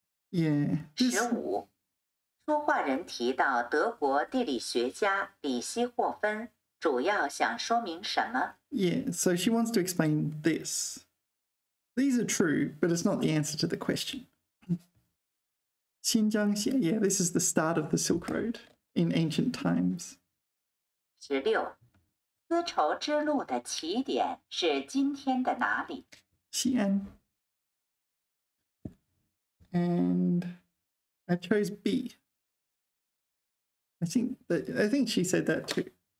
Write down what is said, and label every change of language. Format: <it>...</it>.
<en>Yeah.</en> <zh>15，说话人提到德国地理学家李希霍芬主要想说明什么</zh> <en>？Yeah, so she wants to explain this. These are true, but it's not the answer to the question. Xinjiang, yeah, this is the start of the Silk Road in ancient times.</en> <zh>16，丝绸之路的起点是今天的哪里？西安。</zh> <en>And I chose B. I think she said that too.</en>